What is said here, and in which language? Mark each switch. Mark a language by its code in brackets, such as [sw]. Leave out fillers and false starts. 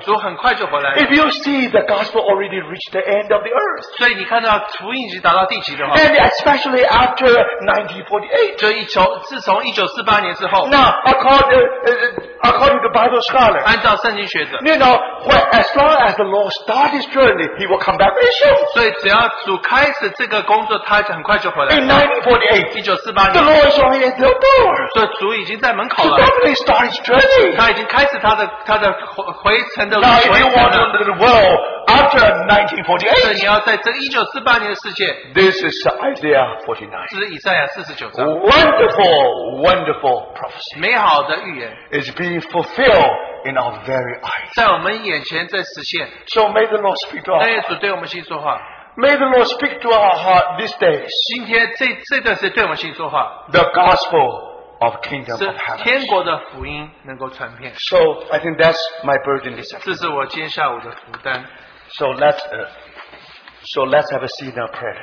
[en] If you see the gospel already reached the end of the earth, and especially after 1948, now, according to Bible scholar, [zh] 按照圣经学者, [en] you know, when, as long as the Lord starts his journey, he will come back very soon. [zh] 所以只要主开始这个工作, 他很快就回来了。 [en] In 1948, the Lord is only at the door. [zh] 所以主已经在门口了。 [en] He definitely starts his journey. [zh] 他已经开始他的回程的路程。 [en] Now, if you want to live the world after 1948, this is Isaiah 49. [zh] 这是以赛亚49章, [en] wonderful, wonderful prophecy. [zh] 美好的预言, [en] is being fulfilled in our very eyes. So may the Lord speak to our hearts. May the Lord speak to our heart this day. [zh] 今天这段时间对我们心说话, [en] the gospel of kingdom of heaven. So I think that's my burden this afternoon. So let's have a seat in our prayer.